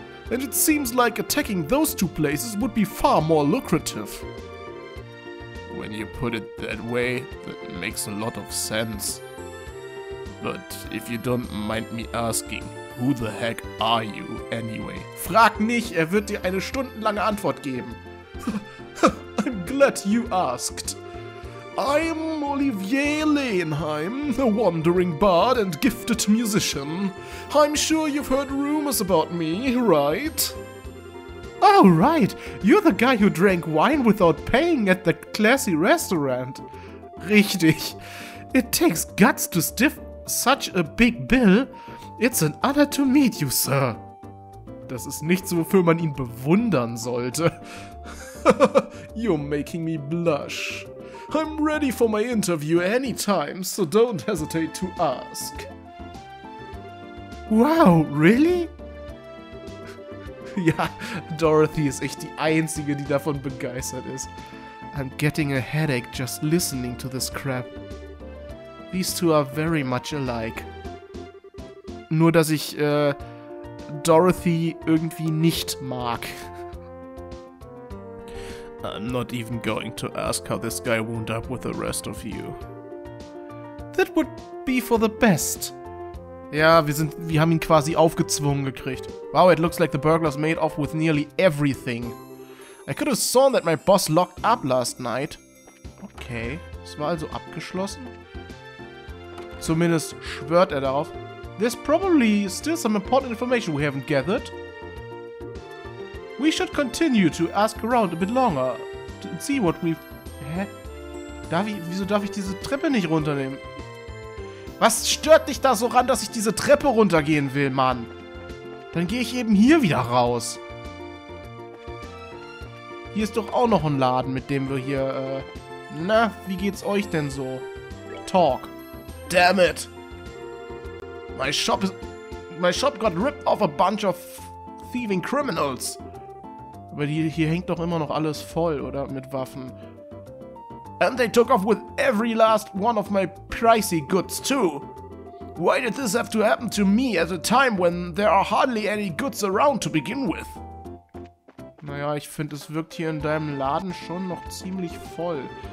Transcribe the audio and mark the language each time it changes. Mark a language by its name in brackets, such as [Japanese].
[English] And it seems like attacking those two places would be far more lucrative. When you put it that way, that makes a lot of sense. But if you don't mind me asking, who the heck are you anyway? [German] Frag nicht, er wird dir eine stundenlange Antwort geben. [English] I'm glad you asked. I'm Olivier Lehnheim, a wandering bard and gifted musician. I'm sure you've heard rumors about me, right? Oh, right! You're the guy who drank wine without paying at the classy restaurant. [German] Richtig. [English] It takes guts to stiff such a big bill. It's an honor to meet you, sir. [German] Das ist nichts, wofür man ihn bewundern sollte. [English] You're making me blush. I'm ready for my interview anytime, so don't hesitate to ask. Wow, really? [German] Ja, Dorothy ist echt die Einzige, die davon begeistert ist. [English] I'm getting a headache just listening to this crap. These two are very much alike. [German] Nur, dass ich Dorothy irgendwie nicht mag. [English] I'm not even going to ask how this guy wound up with the rest of you. That would be for the best. [German] Ja, wir haben ihn quasi aufgezwungen gekriegt. [English] Wow, it looks like the burglars made off with nearly everything. I could have sworn that my boss locked up last night. [German] Okay, es war also abgeschlossen. Zumindest schwört er darauf. [English] There's probably still some important information we haven't gathered. We should continue to ask around a bit longer to see what we've... [German] Hä? Wieso darf ich diese Treppe nicht runternehmen? Was stört dich da so ran, dass ich diese Treppe runtergehen will, Mann? Dann gehe ich eben hier wieder raus. Hier ist doch auch noch ein Laden, mit dem wir hier, na, wie geht's euch denn so? [English] Talk. Damn it! My shop got ripped off a bunch of thieving criminals. [German] Aber hier hängt doch immer noch alles voll, oder? Mit Waffen. [English] And they took off with every last one of my pricey goods, too. Why did this have to happen to me at a time when there are hardly any goods around to begin with? [German] Naja, ich finde, es wirkt hier in deinem Laden schon noch ziemlich voll.